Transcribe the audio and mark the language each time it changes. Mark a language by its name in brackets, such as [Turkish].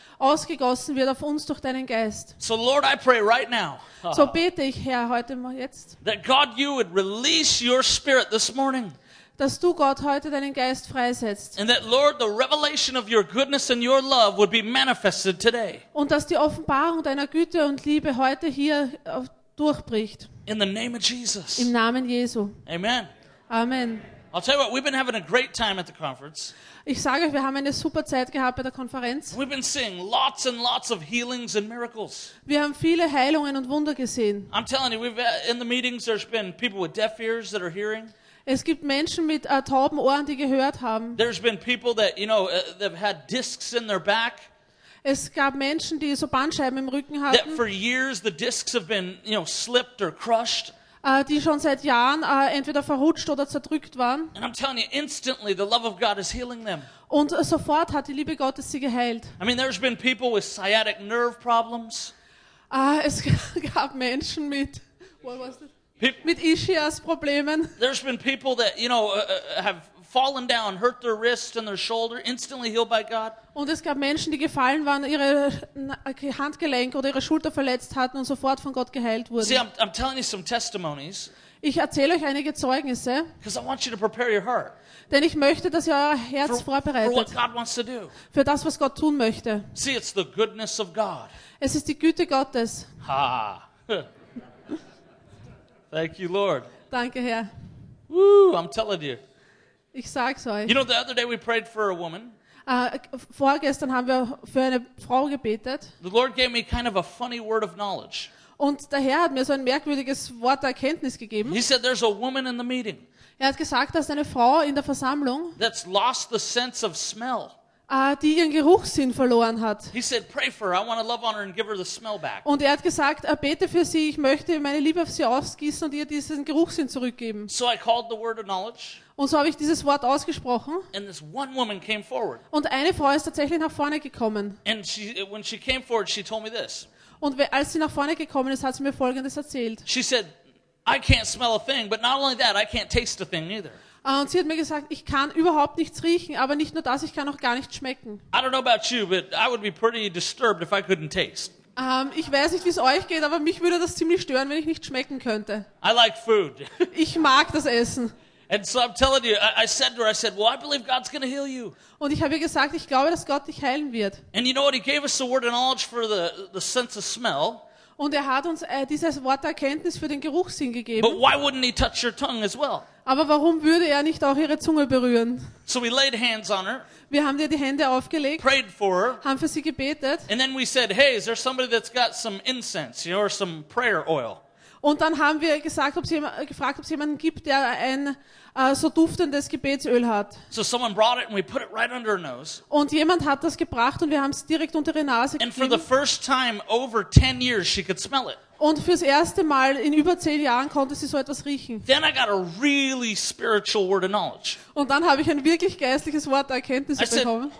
[German] Ausgegossen wird auf uns durch deinen Geist. [English] So Lord, I pray right now. [German] So bete ich, Herr, heute mal jetzt. [English] That God, you would release your spirit this morning. [German] Dass du Gott heute deinen Geist freisetzt. [English] And that Lord, the revelation of your goodness and your love would be manifested today. [German] Und dass die Offenbarung deiner Güte und Liebe heute hier durchbricht. [English] In the name of Jesus. [German] Im Namen Jesu. [English] Amen. [German] Amen. [English] I'll tell you what, we've been having a great time at the conference. [German] Ich sage euch, wir haben eine super Zeit gehabt bei der Konferenz. [English] We've been seeing lots and lots of healings and miracles. [German] Wir haben viele Heilungen und Wunder gesehen. [English] I'm telling you, we've in the meetings there's been people with deaf ears that are hearing. [German] Es gibt Menschen mit tauben Ohren, die gehört haben. [English] There's been people that, you know, they've had discs in their back. [German] Es gab Menschen, die so Bandscheiben im Rücken hatten. [English] That for years the discs have been, you know, slipped or crushed. [German] Die schon seit Jahren entweder verrutscht oder zerdrückt waren. [English] And I'm telling you, instantly the love of God is healing them. [German] Und sofort hat die Liebe Gottes sie geheilt. [English] I mean, there's been people with sciatic nerve problems. [German] Es gab Menschen mit, [English] what was it? [German] Mit Ischias Problemen. [English] There's been people that, you know, have fallen down, hurt their wrist and their shoulder, instantly healed by God. [German] Und es gab Menschen, die gefallen waren, ihre Handgelenke oder ihre Schulter verletzt hatten und sofort von Gott geheilt wurden. [English] See, I'm telling you some testimonies. [German] Ich erzähle euch einige Zeugnisse. [English] Because I want you to prepare your heart. [German] Denn ich möchte, dass ihr euer Herz vorbereitet. [English] For what God wants to do. [German] Für das, was Gott tun möchte. [English] See, it's the goodness of God. [German] Es ist die Güte Gottes. Ha. [English] Thank you, Lord. [German] Danke, Herr. [English] Woo, I'm telling you. [German] Ich sag's euch. [English] You know, the other day we prayed for a woman. [German] Vorgestern haben wir für eine Frau gebetet. [English] The Lord gave me kind of a funny word of knowledge. [German] Und der Herr hat mir so ein merkwürdiges Wort der Erkenntnis gegeben. [English] He said, there's a woman in the meeting. [German] Er hat gesagt, dass eine Frau in der Versammlung, [English] that's lost the sense of smell. [German] Die ihren Geruchssinn verloren hat. [English] He said, pray for her. I want to love on her and give her the smell back. [German] Und er hat gesagt, bete für sie. Ich möchte meine Liebe auf sie ausgießen und ihr diesen Geruchssinn zurückgeben. [English] So I called the word of knowledge. [German] Und so habe ich dieses Wort ausgesprochen. [English] And this one woman came forward. [German] Und eine Frau ist tatsächlich nach vorne gekommen. [English] And she, when she came forward, she told me this. [German] Und als sie nach vorne gekommen ist, hat sie mir Folgendes erzählt. [English] She said, I can't smell a thing, but not only that, I can't taste a thing either. [German] Und sie hat mir gesagt, ich kann überhaupt nichts riechen, aber nicht nur das, ich kann auch gar nichts schmecken. [English] I don't know about you, but I would be pretty disturbed if I couldn't taste. [German] Ich weiß nicht, wie es euch geht, aber mich würde das ziemlich stören, wenn ich nicht schmecken könnte. [English] I like food. [German] Ich mag das Essen. [English] And so I'm telling you, I said to her, I said, well, I believe God's going to heal you. [German] Und ich habe ihr gesagt, ich glaube, dass Gott dich heilen wird. [English] And you know what, he gave us the word of knowledge for the sense of smell. [German] Und er hat uns dieses Wort der Erkenntnis für den Geruchssinn gegeben. [English] But why wouldn't he touch your tongue as well? [German] Aber warum würde er nicht auch ihre Zunge berühren? [English] So we laid hands on her. [German] Wir haben ihr die Hände aufgelegt. [English] Prayed for her. [German] Haben für sie gebetet. [English] And then we said, hey, is there somebody that's got some incense, you know, or some prayer oil? [German] Und dann haben wir gesagt, gefragt, ob es jemanden gibt, der ein so duftendes Gebetsöl hat. [English] So someone brought it and we put it right under her nose. [German] Und jemand hat das gebracht und wir haben es direkt unter ihre Nase gegeben. [English] And for the first time over 10 years she could smell it. [German] Und fürs erste Mal in über 10 Jahren konnte sie so etwas riechen. [English] Then I got a really spiritual word of knowledge. [German] Und dann habe ich ein wirklich geistliches Wort der Erkenntnis bekommen.